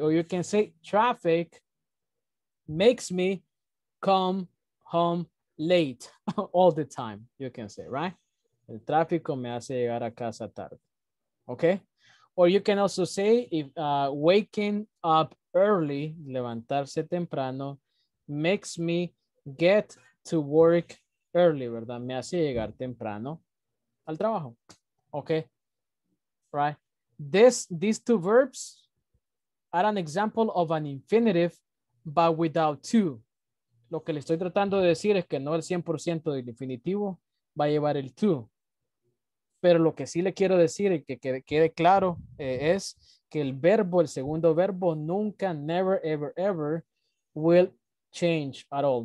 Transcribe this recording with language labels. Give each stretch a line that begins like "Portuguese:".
English: Or you can say, traffic makes me come home late all the time, you can say, right?
Spanish: El tráfico me hace llegar a casa tarde.
English: Okay? Or you can also say, if waking up early,
Spanish: levantarse temprano,
English: makes me get to work early,
Spanish: ¿verdad? Me hace llegar temprano al trabajo.
English: Okay? Right? These two verbs are an example of an infinitive, but without to.
Spanish: Lo que le estoy tratando de decir es que no el 100% del infinitivo va a llevar el to. Pero lo que sí le quiero decir y que quede claro es que el verbo, el segundo verbo, nunca,
English: never, ever, ever will change at all.